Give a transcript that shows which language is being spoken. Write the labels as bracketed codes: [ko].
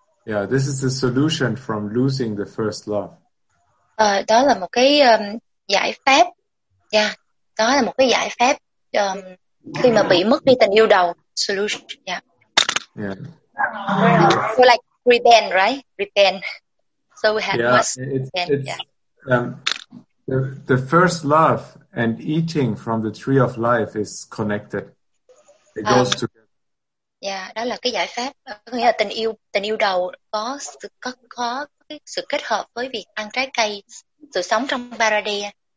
[en] Yeah, this is the solution from losing the first love. [vi] Đó là một cái giải pháp. Yeah, đó là một cái giải pháp khi mà bị mất đi tình yêu đầu. [en] Solution. Yeah. Yeah. So like repent, right? Repent. So we have the first love and eating from the tree of life is connected. It goes to. [vi] Yeah, đó là cái giải pháp, có nghĩa là tình yêu đầu có cái sự kết hợp với việc ăn trái cây sự sống trong paradise.